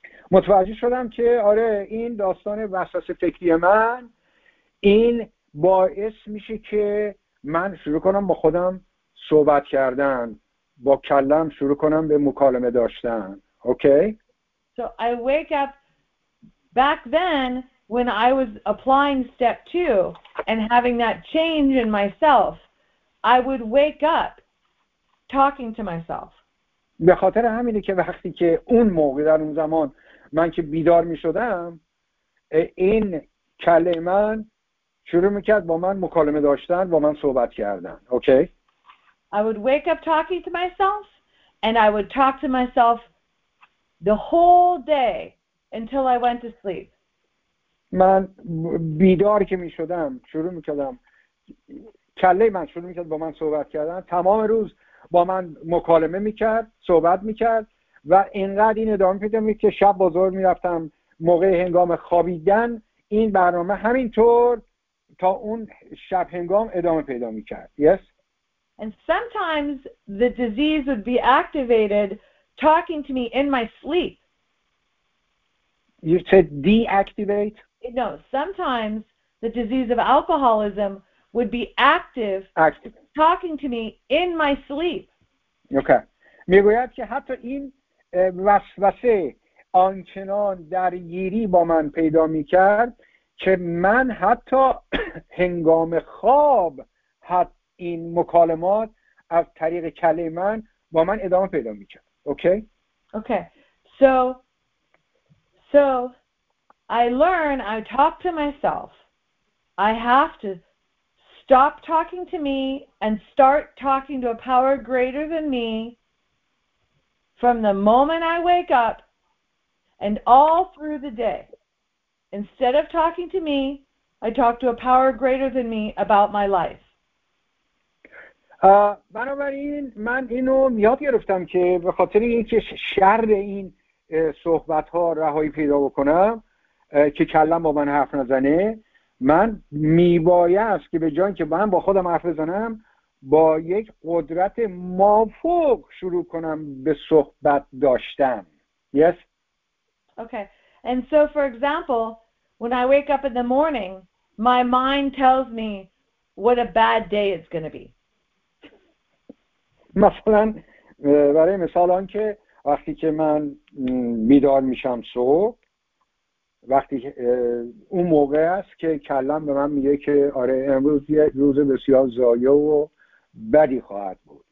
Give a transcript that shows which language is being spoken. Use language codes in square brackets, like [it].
[fa] متوجه شدم که آره این داستان وسوسه فکری من این باعث میشه که من شروع کنم با خودم صحبت کردن، با کلم شروع کنم به مکالمه داشتن. اوکی؟ [en] So I wake up back then when I was applying step two and having that change in myself, I would wake up talking to myself. [fa] به خاطر همینه که وقتی که اون موقع در اون زمان من که بیدار می شدم، این کله من شروع میکرد با من مکالمه داشتن، با من صحبت کردن. اوکی؟ [en] I would wake up talking to myself and I would talk to myself the whole day until I went to sleep. [fa] من بیدار که می شدم شروع میکردم، کله من شروع میکرد با من صحبت کردن، تمام روز با من مکالمه میکرد، صحبت میکرد و اینقدر این ادامه پیدا میکرد که شب بزرگ میرفتم موقع هنگام خوابیدن این برنامه همینطور تا اون شب هنگام ادامه پیدا میکرد. [en] Yes. And sometimes the disease would be activated talking to me in my sleep. You said deactivate? No, sometimes the disease of alcoholism would be active. Talking to me in my sleep. Okay. [fa] میگوید که حتی این وسوسه آنچنان درگیری با من پیدا میکرد که من حتی هنگام خواب حتی این مکالمات از طریق کله من با من ادامه پیدا میکرد. [en] Okay. Okay. So I learn, I talk to myself. I have to stop talking to me and start talking to a power greater than me from the moment I wake up and all through the day. Instead of talking to me, I talk to a power greater than me about my life. [fa] بنابراین من اینو یاد گرفتم که به خاطر اینکه شر این صحبت ها رهایی پیدا بکنم، که کلم با من حرف نزنه، من میبایست که به جان که من با خودم حرف بزنم با یک قدرت مافوق شروع کنم به صحبت داشتن. [en] Yes. Okay. And so for example, when I wake up in the morning, my mind tells me what a bad day it's going to be. [fa] مثلا برای مثال آن که وقتی که من بیدار میشم صبح، وقتی اون موقع است که کلم به من میگه که آره امروز یه روز بسیار ضایعه و بدی خواهد بود.